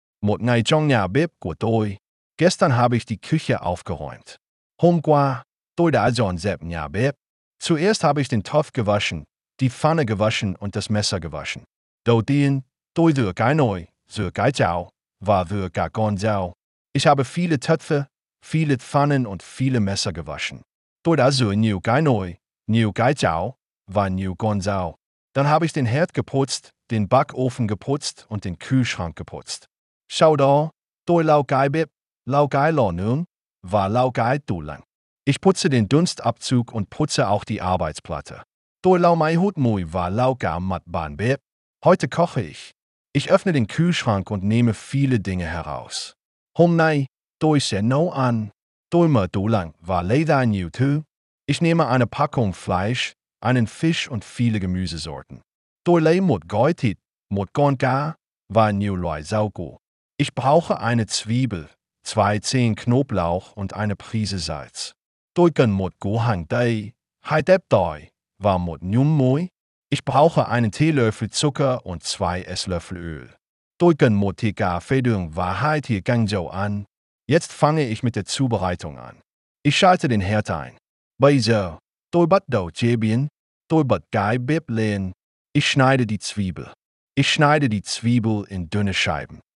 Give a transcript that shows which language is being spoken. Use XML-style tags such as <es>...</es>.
<vi>Một ngày trong nhà bếp của tôi.</vi> <de>Gestern habe ich die Küche aufgeräumt.</de> <vi>Hôm qua, tôi đã dọn dẹp nhà bếp.</vi> <de>Zuerst habe ich den Topf gewaschen, die Pfanne gewaschen und das Messer gewaschen.</de> <vi>Đầu tiên, tôi rửa cái nồi, rửa cái chảo, và rửa cả con dao.</vi> <de>Ich habe viele Töpfe, viele Pfannen und viele Messer gewaschen.</de> <vi>Tôi đã rửa nhiều cái nồi, nhiều cái chảo, và nhiều con dao.</vi> <de>Dann habe ich den Herd geputzt, den Backofen geputzt und den Kühlschrank geputzt.</de> <vi>Schau da, tôi lau cái bếp, lau cái lò nướng, và lau cái tủ lạnh.</vi> <de>Ich putze den Dunstabzug und putze auch die Arbeitsplatte.</de> <vi>Tôi lau máy hút mùi và lau cả mặt bàn bếp.</vi> <de>Heute koche ich. Ich öffne den Kühlschrank und nehme viele Dinge heraus.</de> <vi>Hôm nay, tôi sẽ nấu ăn. Tôi mở tủ lạnh và lấy ra nhiều thứ.</vi> <de>Ich nehme eine Packung Fleisch, einen Fisch und viele Gemüsesorten.</de> <vi>Tôi lấy một gói thịt, một con cá, và nhiều loại rau củ.</vi> <de>Ich brauche eine Zwiebel, zwei Zehen Knoblauch und eine Prise Salz.</de> <vi>Tôi cần một củ hành tây, hai tép tỏi, và một nhúm muối.</vi> <de>Ich brauche einen Teelöffel Zucker und zwei Esslöffel Öl.</de> <vi>Tôi cần một thìa cà phê đường và hai thìa canh dầu ăn.</vi> <de>Jetzt fange ich mit der Zubereitung an. Ich schalte den Herd ein.</de> <vi>Bây giờ, tôi bắt đầu chế biến. Tôi bật cái bếp lên.</vi> <de>Ich schneide die Zwiebel. Ich schneide die Zwiebel in dünne Scheiben.</de>